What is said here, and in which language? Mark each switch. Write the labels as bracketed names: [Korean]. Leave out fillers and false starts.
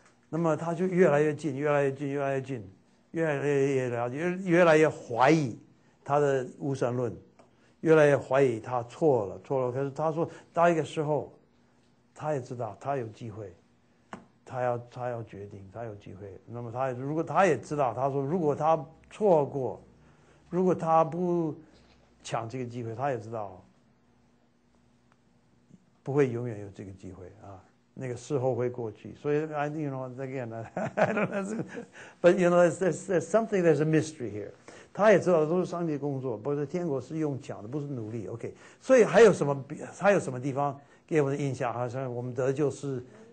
[Chinese] 那么他就越来越近，越来越近，越来越近，越来越了解，越来越怀疑他的无神论，越来越怀疑他错了。可是他说，到一个时候，他也知道他有机会，他要决定，他有机会。那么他如果他也知道，他说如果他错过，如果他不抢这个机会，他也知道不会永远有这个机会啊。那个事后会过去，所以 [English] I you know again I don't know, but you know there's something there's a mystery here. [Chinese] 他也知道都是上帝的工作，不是天国是用抢的，不是努力。 OK， 所以还有什么？还有什么地方给我的印象？好像我们得救是。